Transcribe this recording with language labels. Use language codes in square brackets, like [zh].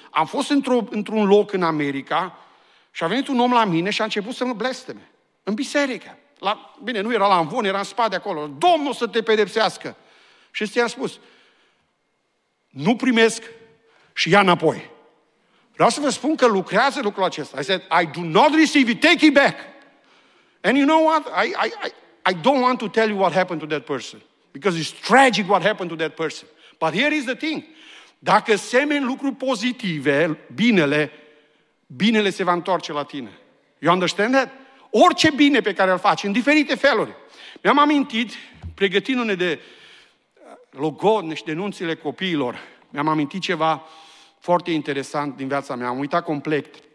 [ro] Am fost într-un loc în America și a venit un om la mine și a început să mă blesteme. În biserică. Bine, nu era la amvon, era în spate acolo. Domnul să te pedepsească. Și ăsta i-a spus, nu primesc și ia înapoi. Vreau să vă spun că lucrează lucrul acesta. [en] I said, I do not receive it, take it back. And you know what? I don't want to tell you what happened to that person. Because it's tragic what happened to that person. But here is the thing. [ro] Dacă semeni lucruri pozitive, binele se va întoarce la tine. [en] You understand that? [ro] Orice bine pe care îl faci, în diferite feluri. Mi-am amintit, pregătindu-ne de logodne și denunțile copiilor, mi-am amintit ceva foarte interesant din viața mea. Am uitat complet.